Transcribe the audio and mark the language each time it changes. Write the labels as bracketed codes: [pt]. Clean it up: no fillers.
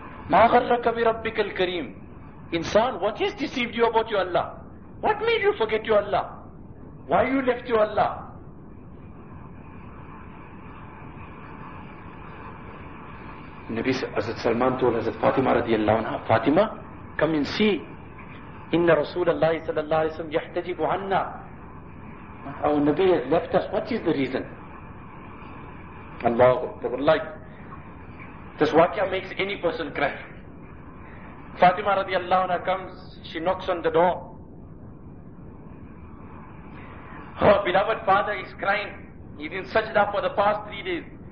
[ar] مَا غَرَّكَ بِرَبِّكَ الْكَرِيمِ [en] Insan, what has deceived you about your Allah? What made you forget your Allah? Why you left your Allah? Nabi Hazrat Salman told Hazrat Fatima radiallahu anha, Fatima, come and see. [ar] إِنَّ رَسُولَ اللَّهِ صَلَى اللَّهِ عَلَيْهِ وَسَلَّمْ يَحْتَجِبُ عَنَّا [en] Our Nabi has left us. What is the reason? Allah, the light. This waqia makes any person cry. Fatima radiallahu anha comes, she knocks on the door. Her beloved father is crying. He's in sajda for the past 3 days.